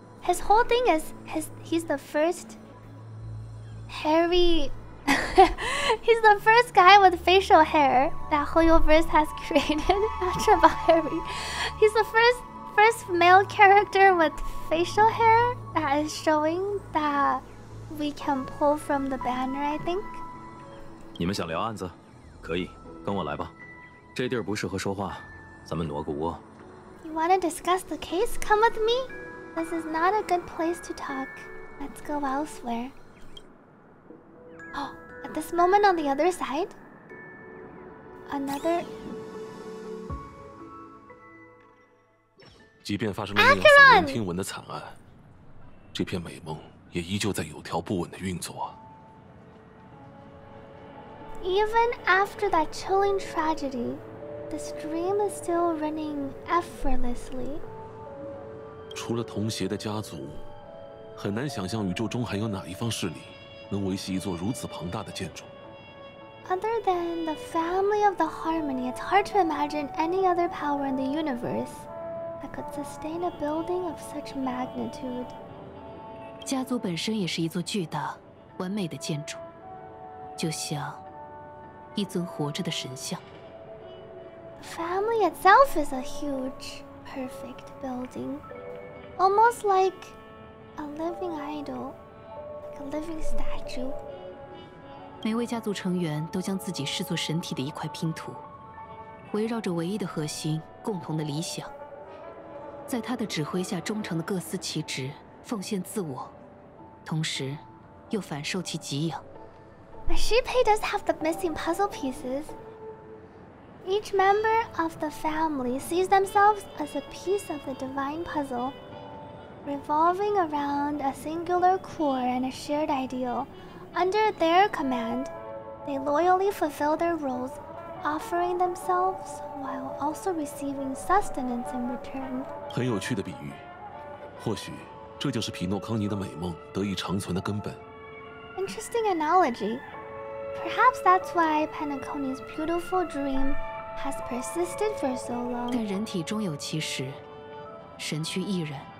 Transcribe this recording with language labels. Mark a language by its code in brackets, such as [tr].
[en] His whole thing is, he's the first... Harry, he's the first guy with facial hair that Hoyoverse has created. Not about Harry. He's the first male character with facial hair that is showing that we can pull from the banner, I think. [zh] 你们想聊案子？可以，跟我来吧。这地儿不适合说话，咱们挪个窝。 [en] You want to discuss the case? Come with me. This is not a good place to talk. Let's go elsewhere. At this moment on the other side? Another... [zh] 即便发生了令人耳目听闻的惨案，这片美梦也依旧在有条不紊地运作。 [en] Even after that chilling tragedy, this dream is still running effortlessly. [zh] 除了同邪的家族，很难想象宇宙中还有哪一方势力能维系一座如此庞大的建筑。 [en] Other than the family of the harmony, it's hard to imagine any other power in the universe that could sustain a building of such magnitude. [zh] 家族本身也是一座巨大、完美的建筑，就像一尊活着的神像。 [en] The family itself is a huge, perfect building, almost like a living idol. A living statue. [zh] 每位家族成员都将自己视作神体的一块拼图，围绕着唯一的核心，共同的理想，在他的指挥下忠诚的各司其职，奉献自我，同时又反受其极影。 [en] But Shipei does have the missing puzzle pieces. Each member of the family sees themselves as a piece of the divine puzzle, revolving around a singular core and a shared ideal. Under their command, they loyally fulfill their roles, offering themselves while also receiving sustenance in return. [zh] 很有趣的比喻，或许这就是皮诺康尼的美梦得以长存的根本。 [en] Interesting analogy. Perhaps that's why Panaconi's beautiful dream has persisted for so long. [zh] 但人体终有其时，神躯亦然。